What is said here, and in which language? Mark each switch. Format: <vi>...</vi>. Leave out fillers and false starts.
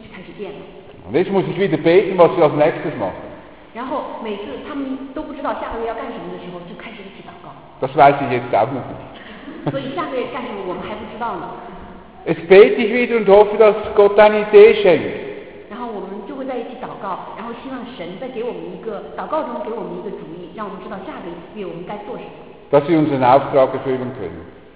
<de>Und jetzt muss ich wieder beten, was wir als nächstes machen.</de> <zh>然后每次他们都不知道下个月要干什么的时候，就开始一起祷告。</zh> <de>Das weiß ich jetzt auch noch nicht.</de> <zh>所以下个月干什么，我们还不知道呢。</zh> <de>Jetzt bete ich wieder und hoffe, dass Gott eine Idee schenkt.</de> <zh>然后我们就会在一起祷告，然后希望神在祷告中给我们一个主意，让我们知道下个月我们该做什么。</zh> <de>Dass wir unseren Auftrag erfüllen können.</de>